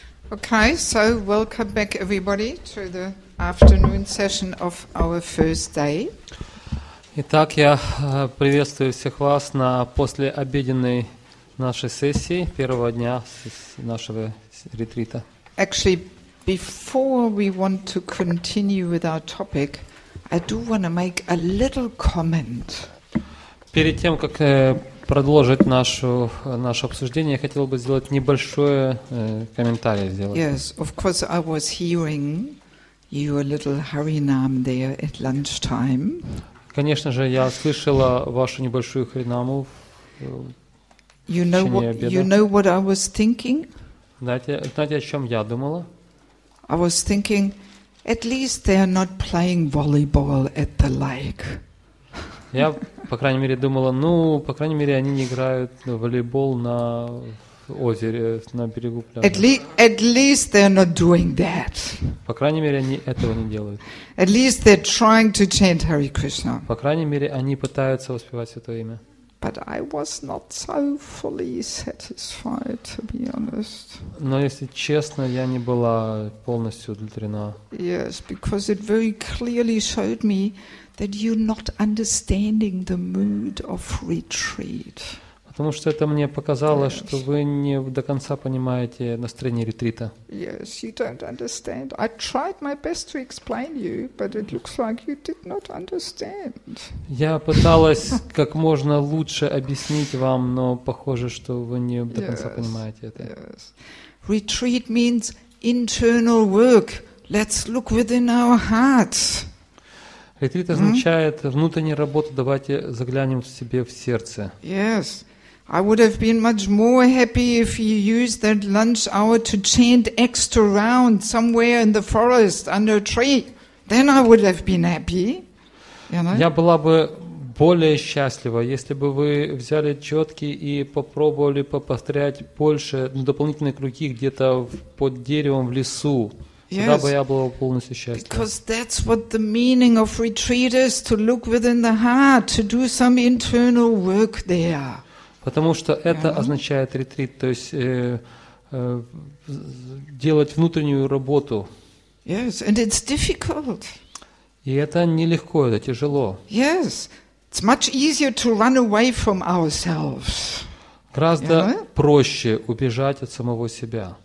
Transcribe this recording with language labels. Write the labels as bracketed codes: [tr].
[en] Okay, so welcome back everybody to the afternoon session of our first day. [ru] Итак, я приветствую всех вас на послеобеденной нашей сессии, первого дня нашего ретрита. [en] Actually, before we want to continue with our topic, I do want to make a little comment. [ru] Перед тем, как продолжить наше обсуждение, я хотел бы сделать небольшое комментарий. [en] Yes, of course, I was hearing your little Харинам there at lunchtime. [ru] Конечно же, я слышала вашу небольшую Харинаму в течение обеда. [en] You know what I was thinking? [ru] Знаете, о чем я думала? [en] I was thinking, at least they are not playing volleyball at the lake. [ru] Я, по крайней мере, думала, по крайней мере, они не играют в волейбол на озере, на берегу пляжа. [en] At least they are not doing that. [ru] По крайней мере, они этого не делают. [en] At least they're trying to chant Hare Krishna. [ru] По крайней мере, они пытаются воспевать Святое Имя. [en] But I was not so fully satisfied, to be honest. [ru] Но если честно, я не была полностью удовлетворена. [en] Yes, because it very clearly showed me that you're not understanding the mood of retreat. [ru] Потому что это мне показало, [en] yes. [ru] Что вы не до конца понимаете настроение ретрита. [en] Yes, you don't understand. I tried my best to explain you, but it looks like you did not understand. [ru] Я пыталась как можно лучше объяснить вам, но похоже, что вы не до конца понимаете это. [en] Yes. Retreat means internal work. Let's look within our hearts. [ru] Ретрит означает внутреннюю работу. Давайте заглянем себе в сердце. [en] Yes. I would have been much more happy if you used that lunch hour to chant extra round somewhere in the forest under a tree. Then I would have been happy. [ru] Я была бы более счастлива, если бы вы взяли четки и попробовали повторять больше дополнительные круги где-то под деревом в лесу. Тогда бы я была полностью счастлива. [en] Because that's what the meaning of retreat is, to look within the heart, to do some internal work there. [ru] Потому что это означает ретрит, то есть делать внутреннюю работу. [en] Yes, and it's difficult. [ru] И это нелегко, это тяжело. [en] Yes, it's much easier to run away from ourselves. [ru] Гораздо проще убежать от самого себя.